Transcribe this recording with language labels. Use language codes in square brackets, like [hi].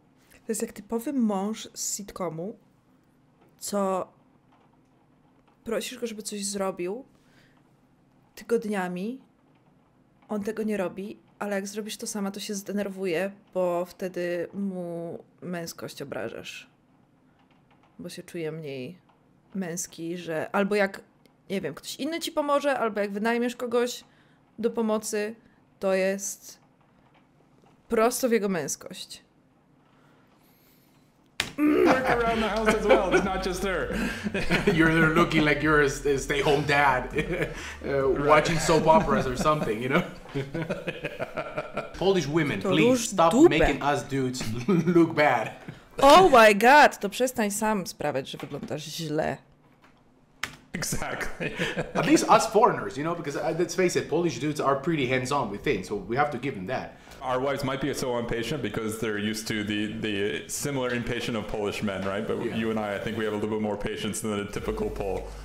[pl] To jest jak typowy mąż z sitcomu, co prosisz go, żeby coś zrobił tygodniami, on tego nie robi, ale jak zrobisz to sama, to się zdenerwuje, bo wtedy mu męskość obrażasz. Bo się czuje mniej męski, że... Albo jak, nie wiem, ktoś inny ci pomoże, albo jak wynajmiesz kogoś do pomocy, to jest prosto w jego męskość. [en] Work around the house as well, it's not just her. You're there looking like you're a stay-home dad, right. Watching soap operas or something, you know? Polish women, to please stop dupę. Making us dudes look bad. Oh my god, [pl] to przestań sam sprawiać, że wyglądasz źle. [en] Exactly. At least us foreigners, you know, because let's face it, Polish dudes are pretty hands-on with things, so we have to give them that. Our wives might be so impatient because they're used to the similar impatient of Polish men, right? But yeah. You and I think we have a little bit more patience than a typical Pole.